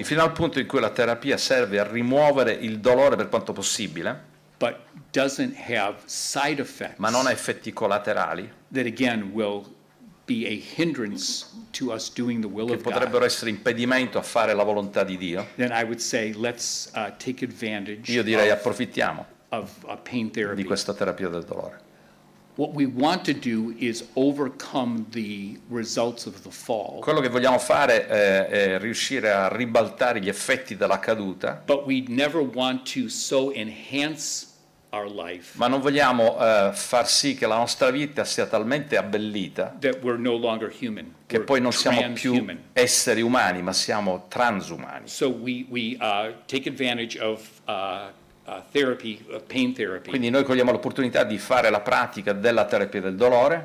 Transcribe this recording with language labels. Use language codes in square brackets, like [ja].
[it] Quindi fino al punto in cui la terapia serve a rimuovere il dolore per quanto possibile. [en] But doesn't have side effects. [it] Ma non ha effetti collaterali. [en] That again will be a hindrance to us doing the will of God. [it] Che potrebbero essere impedimento a fare la volontà di Dio. [en] Then I would say let's take advantage. [it] Io direi approfittiamo. [en] Of a pain therapy. [it] Di questa terapia del dolore. [en] What we want to do is overcome the results of the fall. [it] Quello che vogliamo fare è riuscire a ribaltare gli effetti della caduta. [en] But we never want to so enhance our life. [it] Ma non vogliamo far sì che la nostra vita sia talmente abbellita. [en] That we're no longer human. [it] Che [en] we're [it] poi non siamo più esseri umani, ma siamo transumani. [en] So we take advantage of pain therapy. [it] Quindi noi cogliamo l'opportunità di fare la pratica della terapia del dolore